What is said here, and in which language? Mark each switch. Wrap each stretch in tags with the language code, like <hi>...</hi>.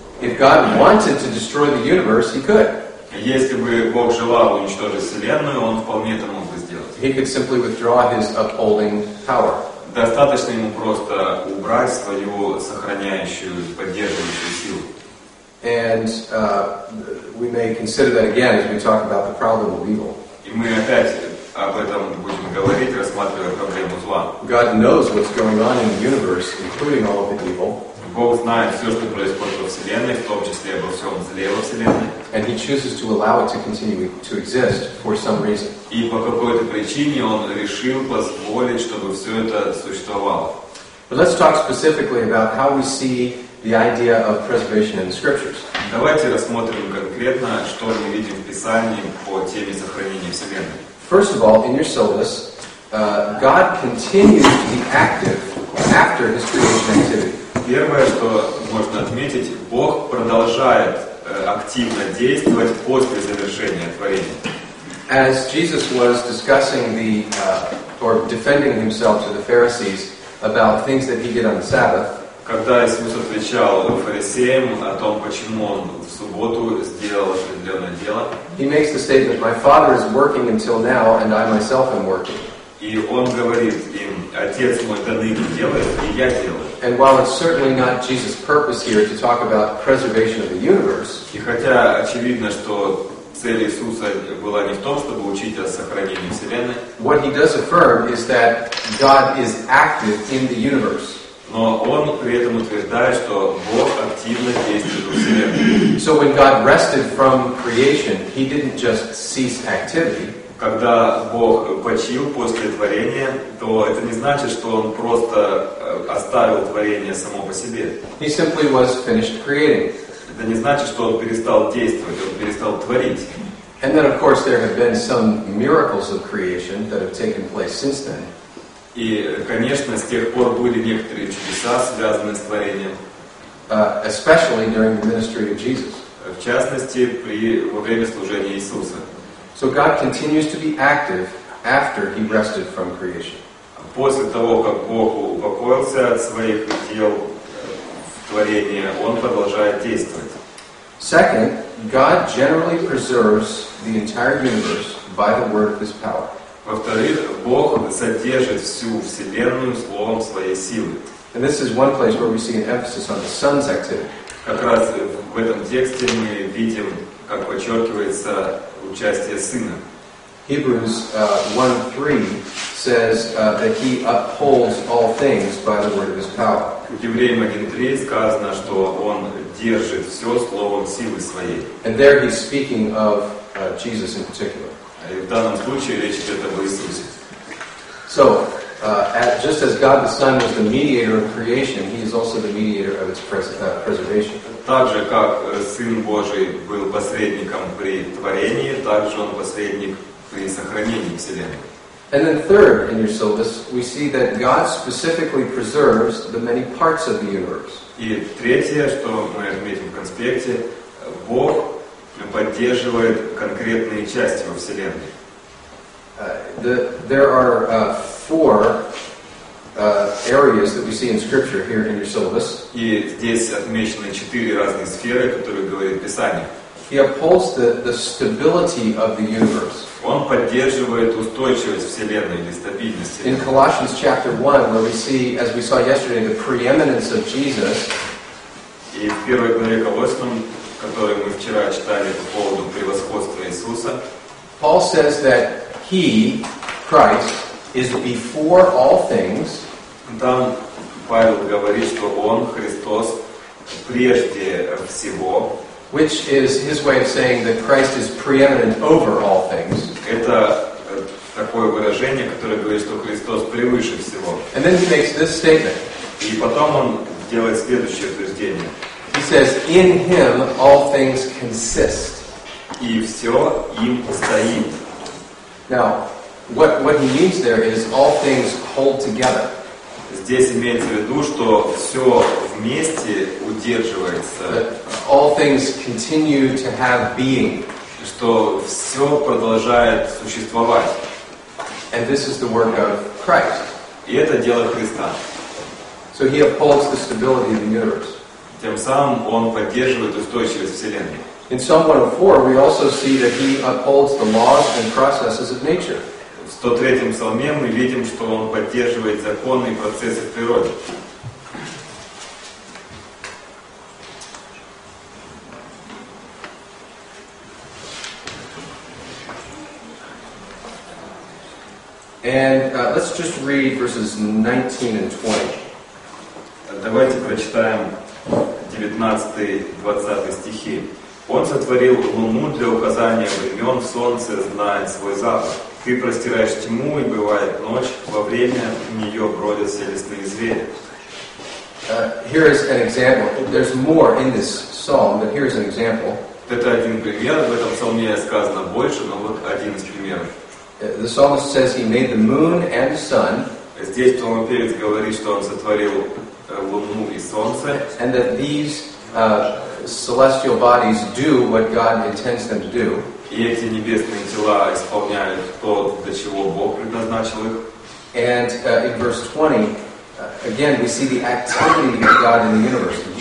<en>If God wanted to destroy the universe, he could.</en> <ru>Если бы Бог желал уничтожить Вселенную, он вполне это мог бы сделать.</ru> <en>He could simply withdraw his upholding power.</en> <ru>Достаточно ему просто убрать свою сохраняющую, поддерживающую силу.</ru> <en>And we may consider that again as we talk about the problem of evil.</en> <ru>И мы опять об этом будем говорить, рассматривая проблему зла.</ru> <en>God knows what's going on in the universe, including all of the evil.</en> <ru>Бог знает все, что происходит во Вселенной, в том числе обо всем зле во Вселенной.</ru> <en>And he chooses to allow it to continue to exist for some reason.</en> <ru>И по какой-то причине он решил позволить, чтобы все это существовало.</ru> <en>But let's talk specifically about how we see the idea of preservation in the scriptures.</en> <ru>Давайте рассмотрим конкретно, что мы видим в Писании по теме сохранения Вселенной.</ru> <en>First of all, in your syllabus, God continues to be active after his creation activity.</en> <ru>Первое, что можно отметить, Бог продолжает активно действовать после завершения творения.</ru> <en>As Jesus was discussing the or defending himself to the Pharisees about things that he did on the Sabbath,</en> <ru>когда Иисус отвечал фарисеям о том, почему он в субботу сделал определенное дело,</ru> <en>he makes the statement, "My Father is working until now, and I myself am working."</en> <ru>И он говорит им, Отец мой до ныне делает, и я делаю.</ru> <en>And while it's certainly not Jesus' purpose here to talk about preservation of the universe,</en> <ru>и хотя очевидно, что цель Иисуса была не в том, чтобы учить о сохранении Вселенной,</ru> <en>what he does affirm is that God is active in the universe.</en> <ru>Но он при этом утверждает, что Бог активно действует во Вселенной.</ru> <en>So when God rested from creation, he didn't just cease activity.</en> <ru>Когда Бог почил после творения, то это не значит, что он просто оставил творение само по себе.</ru> <en>He simply was finished creating.</en> <ru>Это не значит, что он перестал действовать, он перестал творить.</ru> <en>And then, of course, there have been some miracles of creation that have taken place since then.</en> <ru>И, конечно, с тех пор были некоторые чудеса, связанные с творением.</ru> <en>Especially during the ministry of Jesus.</en> <ru>В частности, во время служения Иисуса.</ru> <en>So God continues to be active after he rested from creation.</en> <ru>После того, как Бог упокоился от своих дел творения, он продолжает действовать.</ru> <en>Second, God generally preserves the entire universe by the word of his power.</en> <ru>Во-вторых, Бог содержит всю Вселенную словом своей силы.</ru> <en>And this is one place where we see an emphasis on the Son's activity.</en> <ru>Как раз в этом тексте мы видим, как подчеркивается участие Сына.</ru> <en>Hebrews 1:3 says that he upholds all things by the word of his power.</en> <ru>В Евреям 1:3 сказано, что он держит все словом силы своей.</ru> <en>And there he's speaking of Jesus in particular.</en> <ru>И в данном случае речь идет об Иисусе.</ru> <en>So, just as God the Son was the mediator of creation, he is also the mediator of its preservation.</en> <ru>Так же, как Сын Божий был посредником при творении, так же Он посредник при сохранении Вселенной.</ru> <en>And then third, in your syllabus, we see that God specifically preserves the many parts of the universe.</en> <ru>И третье, что мы отметим в конспекте, Бог поддерживает конкретные части во Вселенной.</ru> <en>There are four areas that we see in Scripture here in your syllabus.</en> <ru>И здесь отмечены четыре разные сферы, которые говорит Писание.</ru> <en>He upholds the stability of the universe.</en> <ru>Он поддерживает устойчивость Вселенной или стабильность.</ru> <en>In Colossians chapter 1, where we see, as we saw yesterday, the preeminence of Jesus.</en> <ru>И в первой главе Колоссянам, которую мы вчера читали по поводу превосходства Иисуса,</ru> <en>Paul says that he, Christ, is before all things.</en> <ru>Там Павел говорит, что Он, Христос, прежде всего.</ru> <en>Which is his way of saying that Christ is preeminent over all things.</en> <ru>Это такое выражение, которое говорит, что Христос превыше всего.</ru> <en>And then he makes this statement.</en> <ru>И потом он делает следующее утверждение.</ru> <en>He says, in him all things consist.</en> <ru>И все им стоит.</ru> <en>Now, what he means there is all things hold together.</en> <ru>Здесь имеется в виду, что все вместе удерживается.</ru> <en>All things continue to have being.</en> <ru>Что все продолжает существовать.</ru> <en>And this is the work of Christ.</en> <ru>И это дело Христа.</ru> <en>So he upholds the stability of the universe.</en> <ru>Тем самым он поддерживает устойчивость Вселенной.</ru> <en>In Psalm 104 we also see that he upholds the laws and processes of nature.</en> <ru>В 103-м псалме мы видим, что он поддерживает законы и процессы природы.</ru> <en>And let's just read verses 19 and 20.</en> <ru>Давайте прочитаем 19-20 стихи. Он сотворил луну для указания времен, солнце знает свой запах. Ты простираешь тьму, и бывает ночь, во время нее бродят все лесные звери.</ru> <en>Here is an example. There's more in this psalm, but here's an example.</en> <ru>Это один пример, в этом псалме сказано больше, но вот один из примеров.</ru> <en>The psalmist says he made the moon and the sun.</en> <ru>Здесь псалмопевец говорит, что он сотворил луну и солнце.</ru> <en>And that these celestial bodies do what God intends them to do.</en> <ru>И эти небесные тела исполняют то, для чего Бог предназначил их.</ru> <en>And in verse 20, again, we see the activity of God in the universe.</en>